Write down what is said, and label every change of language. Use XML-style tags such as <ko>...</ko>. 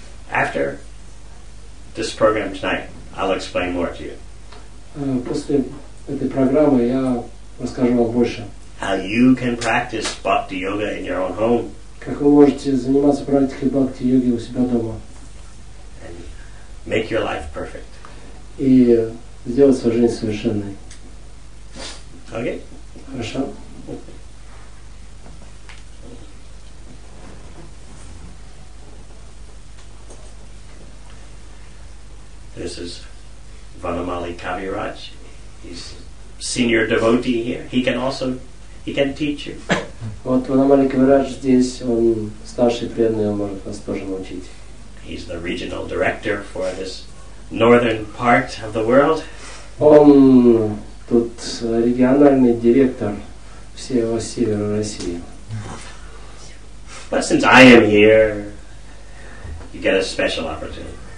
<en>After this program tonight, I'll explain more to you.</en> <ru>После этой программы я расскажу вам больше.</ru> <en>How you can practice bhakti yoga in your own home.</en> <ru>Как вы можете заниматься практикой бхакти йоги у себя дома.</ru> <en>And make your life perfect.</en> <ru>И сделать свою жизнь совершенной.</ru> <en>Okay.</en> <ru>Хорошо.</ru> <en>This is Vanamali Kaviraj. He's senior devotee here. He can teach you.</en> <ru>Вот Vanamali Kaviraj здесь, он старший преданный, он может вас тоже научить.</ru> <en>He's the regional director for this northern part of the world.</en> <ru>Он тут региональный директор всего севера России.</ru> <en>But since I am here, you get a special opportunity.</en>